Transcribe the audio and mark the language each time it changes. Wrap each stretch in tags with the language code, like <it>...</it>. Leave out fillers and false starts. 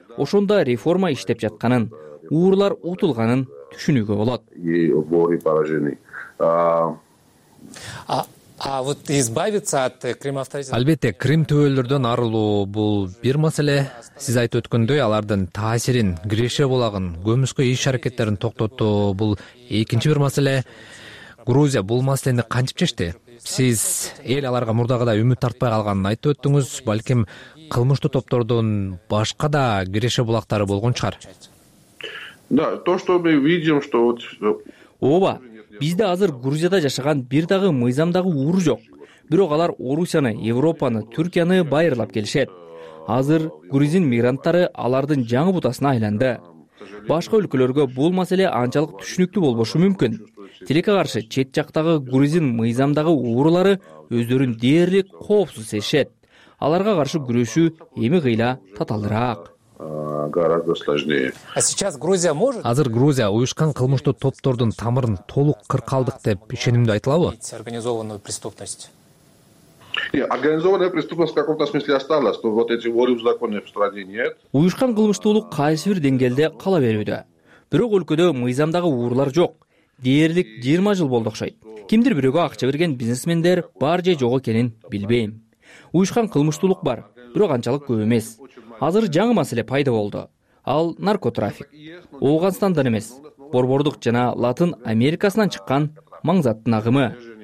<ky>Ошондо реформа иштеп жатканын, уурлар утулганын түшүнүүгө болот. Албетте, Крым түбөлөрдөн арылуу бул бир маселе. Сиз айтып өткөндөй, алардын таасирин, киреше булагын, көмүскө иш аракеттерин токтотуу бул экинчи бир маселе. Грузия бул маселени кантип чечти? Сиз эл аларга мурдагыдай үмүт тартпай калганын айтып өттүңүз, балким кылмыштуу топтордун башка да киреше булактары болгон чыгар.</ky> <ru>Да, то что мы видим, что вот</ru> <ky>ооба. Бизде азыр Грузияда жашаган бир дагы мыйзамдагы уур жок. Бирок алар Орусияны, Европаны, Түркияны байырлап келишет. Азыр грузин мигранттары алардын жаңы бутасына айланды. Башка өлкөлөргө бул маселе анчалык түшүнүктүү болбошу мүмкүн. Тилекке каршы чет жактагы грузин мыйзамдагы уурлары өздөрүн дээрлик коопсуз сезишет. Аларга каршы күрөшүү эми кыйла таталыраак.</ky> <ru>Гораздо сложнее. А сейчас Грузия может?</ru> <ky>Азыр Грузия уюшкан кылмыштуу топтордун тамырын толук кыркалдык деп ишенимдүү айта алабы?</ky> <ru>Организованную преступность. Организованная преступность в каком-то смысле осталась, но вот эти воры в законе в стране нет.</ru> <ky>Уюшкан кылмыштуулук кайсы бир деңгээлде кала берүүдө. Бирок өлкөдө мыйзамдагы уурлар жок. Дээрлик 20 жыл болду окшойт. Кимдир бирөөгө акча берген бизнесмендер бар же жок экенин билбейм. Уюшкан кылмыштуулук бар, бирок анчалык көп эмес. Азыр жаңы маселе пайда болду. Ал наркотрафик. Ооганстандан эмес, борбордук жана Латын Америкасынан чыккан маңзаттын агымы.</ky>